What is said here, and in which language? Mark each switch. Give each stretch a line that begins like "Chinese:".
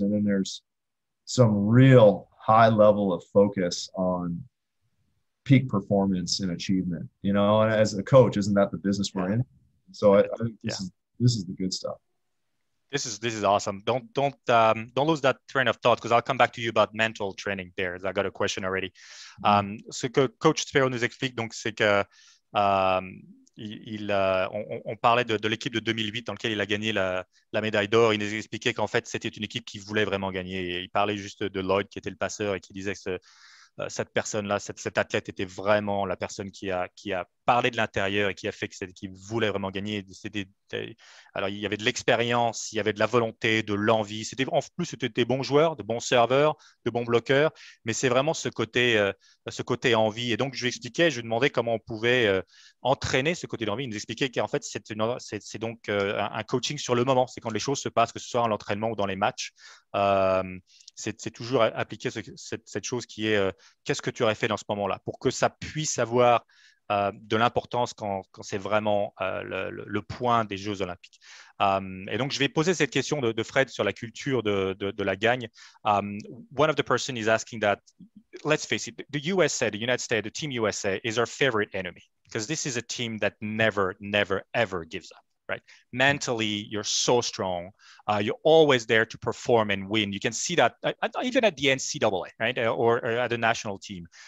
English: And then there's some real high level of focus on peak performance and achievement, you know, and as a coach, isn't that the business we're in? So this is the good stuff. This is awesome. Don't lose that train of thought, because I'll come back to you about mental training there. I got a question already. Mm-hmm.
French: So Coach Speraw nous explique donc c'est que, on parlait de l'équipe de 2008 dans laquelle il a gagné la médaille d'or. Il nous expliquait qu'en fait, c'était une équipe qui voulait vraiment gagner. Et il parlait juste de Lloyd, qui était le passeur, et qui disait que cette personne-là, cet athlète était vraiment la personne qui a parlé de l'intérieur et qui a fait que cette équipe voulait vraiment gagner. Alors, il y avait de l'expérience, il y avait de la volonté, de l'envie. C'était des bons joueurs, de bons serveurs, de bons bloqueurs. Mais c'est vraiment ce côté envie. Et donc, je lui expliquais, je lui demandais comment on pouvait entraîner ce côté d'envie. Il nous expliquait qu'en fait, c'est donc un coaching sur le moment. C'est quand les choses se passent, que ce soit à l'entraînement ou dans les matchs. C'est toujours appliquer cette chose qui est qu'est-ce que tu aurais fait dans ce moment-là pour que ça puisse avoir de l'importance quand c'est vraiment le point des Jeux olympiques. Et donc, je vais poser cette question de Fred sur la culture de la gagne.
English: One of the person is asking that, let's face it, the USA, the United States, the Team USA is our favorite enemy because this is a team that never, never, ever gives up. Right, mentally, you're so strong. You're always there to perform and win. You can see that even at the NCAA, right, or at the national team.